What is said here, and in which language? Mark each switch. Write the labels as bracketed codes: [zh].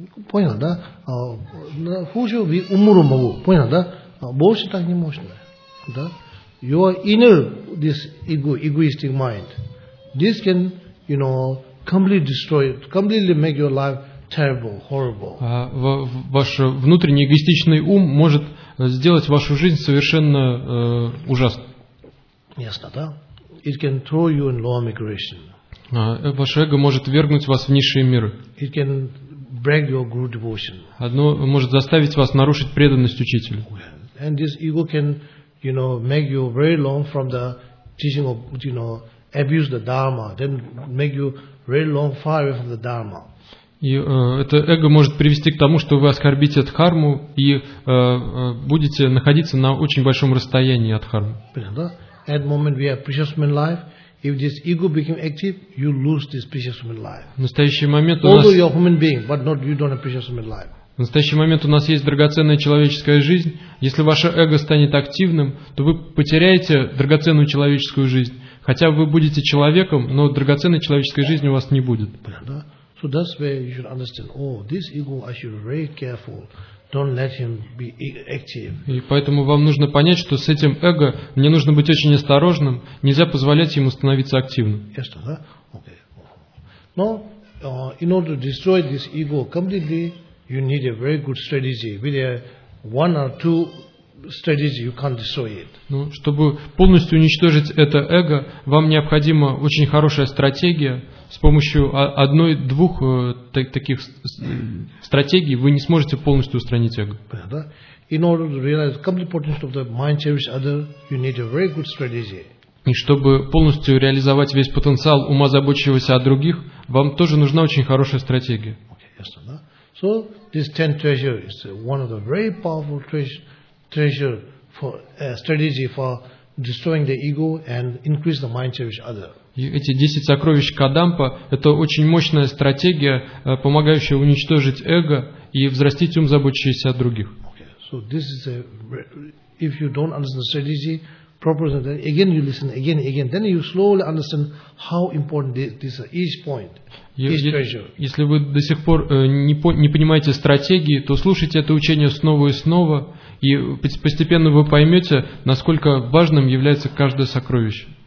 [ru] Понял, да? Хуже, ведь умру могу, понял, да? Больше так не можно, да? [en] Your inner, this egoistic mind, this can, you know, completely destroy it, completely make your life terrible, horrible. [ru] Ваш внутренний эгоистичный ум может сделать вашу жизнь совершенно ужасной. Ясно, да? [en] It can throw you in lower migration. [ru] Ваше эго может вергнуть вас в низшие миры. [en] It can break your guru devotion. [ru] Одно может заставить вас нарушить преданность учителю. [en] And this ego can, you know, make you very long from the teaching of, you know, abuse the Dharma, then make you very long far away from the Dharma. [ru] И это эго может привести к тому, что вы оскорбите дхарму и будете находиться на очень большом расстоянии от дхармы. [en] At that moment we have precious human life. If this ego became active, you lose this precious human life. [ru] В настоящий момент у нас... [en] Although you're a human being, but not you don't have precious human life. [ru] В настоящий момент у нас есть драгоценная человеческая жизнь. Если ваше эго станет активным, то вы потеряете драгоценную человеческую жизнь. Хотя вы будете человеком, но драгоценной человеческой жизни у вас не будет. [en] So that's where you should understand, oh, this ego, I should be very careful. Don't let him be active. [ru] И поэтому вам нужно понять, что с этим эго мне нужно быть очень осторожным, нельзя позволять ему становиться активным. [en] Yes, no, да? Okay. Now, in order to destroy this ego completely, you need a very good strategy. With a one or two strategy, you can't destroy it. [ru] Ну, чтобы полностью уничтожить это эго, вам необходима очень хорошая стратегия. С помощью одной-двух таких стратегий вы не сможете полностью устранить эго. [en] In order to realize the complete potential of the mind cherish other, you need a very good strategy. [ru] И чтобы полностью реализовать весь потенциал ума заботящегося о других, вам тоже нужна очень хорошая стратегия. [en] Okay, yes, да? So this 10 treasure is one of the very powerful treasure for strategy for destroying the ego and increase the mind cherish other. [ru] Эти 10 сокровищ Кадампа – это очень мощная стратегия, помогающая уничтожить эго и взрастить ум, заботящийся о других. [en] So this is a, if you don't understand the strategy properly, then again you listen again and again, then you slowly understand how important this is, each point. [ru] Если вы до сих пор не понимаете стратегии, то слушайте это учение снова и снова, и постепенно вы поймете, насколько важным является каждое сокровище.